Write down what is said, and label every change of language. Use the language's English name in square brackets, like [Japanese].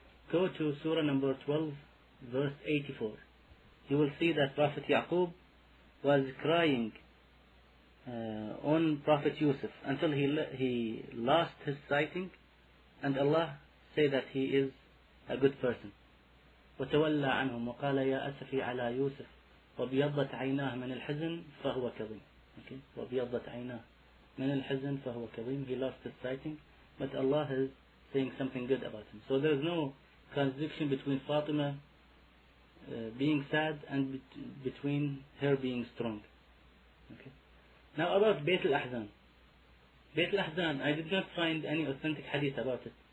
[English] Go to Surah number 12, verse 84. You will see that Prophet Yaqub was crying on Prophet Yusuf until he lost his sighting, and Allah say that he is a good person. [Arabic] وتولى عنهم وقال يا أسفي على يوسف وبيضت عيناه من الحزن فهو كظيم. [English] Okay, [Arabic] وبيضت عيناه من الحزن فهو كظيم. [English] He lost his sighting, but Allah is saying something good about him. So there is no contradiction between Fatima being sad and between her being strong. Okay. Now about Bayt al-Ahzan. Bayt al-Ahzan, I did not find any authentic hadith about it.